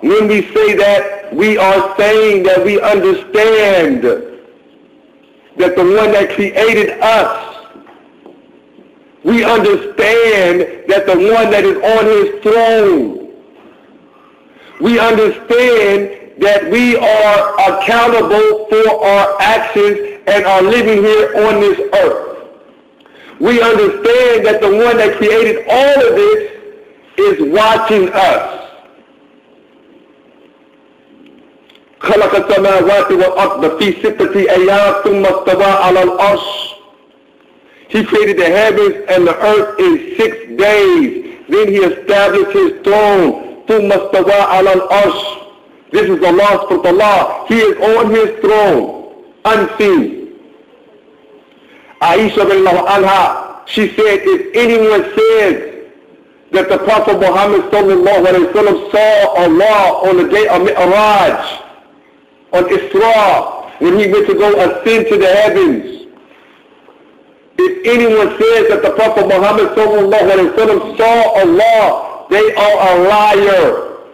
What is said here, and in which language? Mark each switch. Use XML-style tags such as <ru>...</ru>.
<en>When we say that, we are saying that we understand that the one that created us, we understand that the one that is on his throne, we understand that we are accountable for our actions and our living here on this earth. We understand that the one that created all of this is watching us.</en> <ar>خلق السماوات والأرض في ستة أيام ثم استوى على العرش.</ar> <en>He created the heavens and the earth in 6 days. Then he established his throne.</en> <ar>ثم استوى على العرش.</ar> <en>This is Allah subhanahu wa ta'ala. He is on his throne, unseen. Aisha radiallahu anha, she said, if anyone says that the Prophet Muhammad sallallahu alayhi wa sallam saw Allah on the day of Mi'raj, on Isra, when he went to go ascend to the heavens, if anyone says that the Prophet Muhammad sallallahu alayhi wa sallam saw Allah, they are a liar.</en>